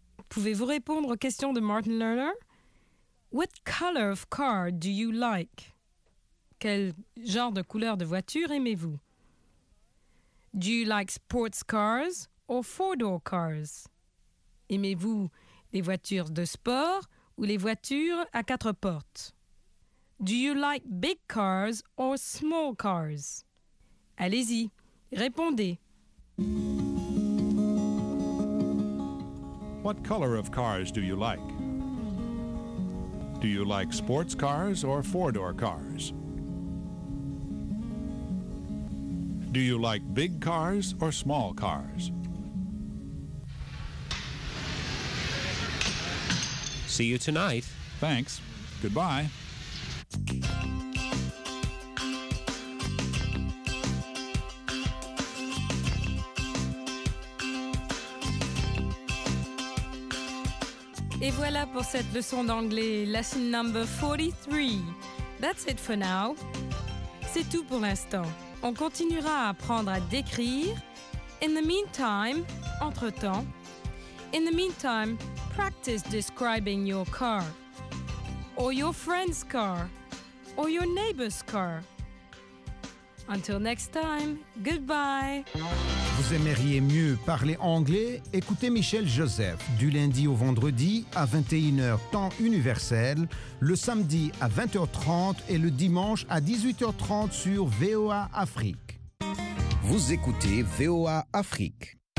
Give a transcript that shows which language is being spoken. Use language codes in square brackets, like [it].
[fr] Pouvez-vous répondre aux questions de Martin Lerner? [en] What color of car do you like? [fr] Quel genre de couleur de voiture aimez-vous? [en] Do you like sports cars or four-door cars? [fr] Aimez-vous les voitures de sport ou les voitures à quatre portes? [en] Do you like big cars or small cars? [fr] Allez-y, répondez. [en] What color of cars do you like? Do you like sports cars or four-door cars? Do you like big cars or small cars? See you tonight. Thanks. Goodbye. [fr] Et voilà pour cette leçon d'anglais, [en] lesson number 43. That's it for now. [fr] C'est tout pour l'instant. On continuera à apprendre à décrire. [en] In the meantime, [fr] entre-temps. [en] In the meantime, practice describing your car. Or your friend's car. Or your neighbor's car. Until next time, goodbye. [fr] Vous aimeriez mieux parler anglais? Écoutez Michel Joseph du lundi au vendredi à 21h temps universel, le samedi à 20h30 et le dimanche à 18h30 sur VOA Afrique. Vous écoutez VOA Afrique.